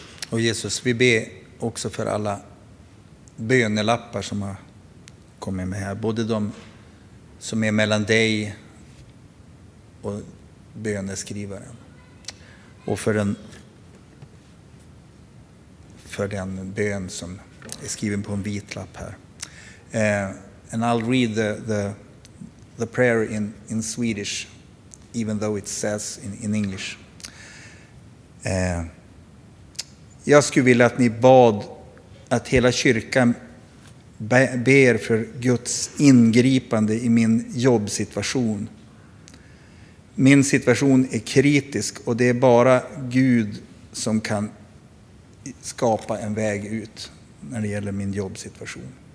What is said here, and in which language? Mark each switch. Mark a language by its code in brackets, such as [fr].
[sv] Och Jesus, vi ber också för alla bönelappar som har kommit med här. Både de som är mellan dig och böneskrivaren. Och för den bön som är skriven på en vit lapp här. [en] And I'll read the prayer in Swedish, even though it says in English. [sv] Jag skulle vilja att ni bad att hela kyrkan ber för Guds ingripande i min jobbsituation. Min situation är kritisk och det är bara Gud som kan skapa en väg ut när det gäller min jobbsituation.